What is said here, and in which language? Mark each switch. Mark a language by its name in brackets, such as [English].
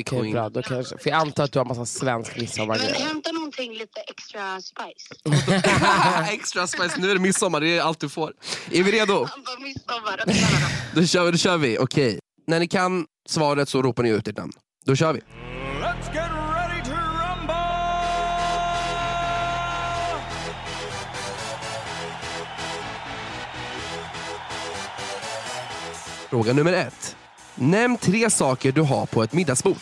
[English] okay, queen. [Swedish] Bra, då kanske. För jag antar att du har massa svensk midsommar. Men hämta någonting lite extra spice. Extra spice, nu är det midsommar, det är allt du får. Är vi redo? Midsommar. Då kör vi, okej. Okay. När ni kan svaret så ropar ni ut ert namn. Då kör vi. [English] Let's get ready to rumble! [Swedish] Fråga nummer ett. Nämn tre saker du har på ett middagsbord.